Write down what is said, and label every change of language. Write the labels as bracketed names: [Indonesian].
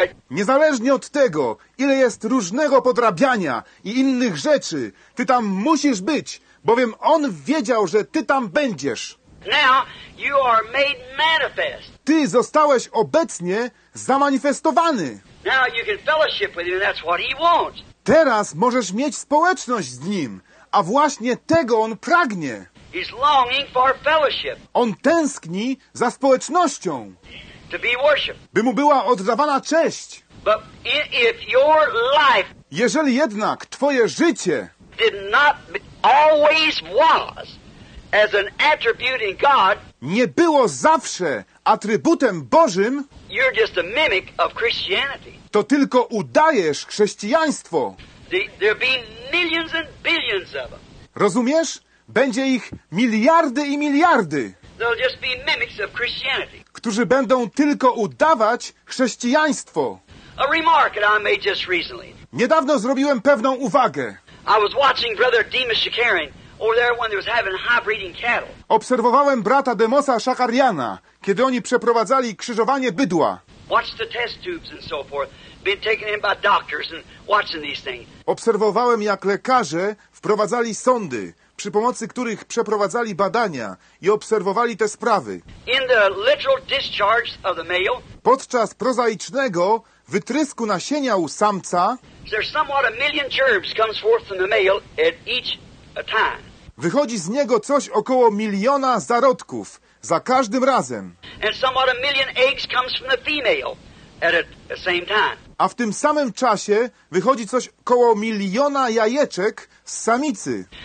[Polish] Niezależnie od tego, ile jest różnego podrabiania i innych rzeczy, ty tam musisz być, bowiem on wiedział, że ty tam będziesz. [English] Now you are made manifest. [Polish] Ty zostałeś obecnie zamanifestowany. [English] Now you can fellowship with him, and that's what he wants. [Polish] Teraz możesz mieć społeczność z nim, a właśnie tego on pragnie. [English] He's longing for fellowship. [Polish] On tęskni za społecznością. [English] To be worshiped. [Polish] By mu była oddawana cześć. [English] But if your life, [Polish] jeżeli jednak twoje życie [English] did not always was as an attribute in God, [Polish] nie było zawsze atrybutem Bożym, [English] you're just a mimic of Christianity. [Polish] To tylko udajesz chrześcijaństwo. [English] There'll be millions and billions of them. [Polish] Rozumiesz? Będzie ich miliardy i miliardy, [English] they'll just be mimics of Christianity. [Polish] Którzy będą tylko udawać chrześcijaństwo. [English] A remark that I made just recently. [Polish] Niedawno zrobiłem pewną uwagę. [English] I was watching Brother Demas Shakarian over there when they was having high breeding cattle. [Polish] Obserwowałem brata Demosa Shakariana, kiedy oni przeprowadzali krzyżowanie bydła. [English] Watch the test tubes and so forth. Been taken in by doctors and watching these things. [Polish] Obserwowałem, jak lekarze wprowadzali sondy, przy pomocy których przeprowadzali badania i obserwowali te sprawy. [English] In the literal discharge of the male, [Polish] podczas prozaicznego wytrysku nasienia u samca, [English] there's somewhat a million germs comes forth from the male at each time. [Polish] Wychodzi z niego coś około miliona zarodków za każdym razem. [English] And somewhat a million eggs comes from the female at the same time. [Polish] A w tym samym czasie wychodzi coś około miliona jajeczek z samicy.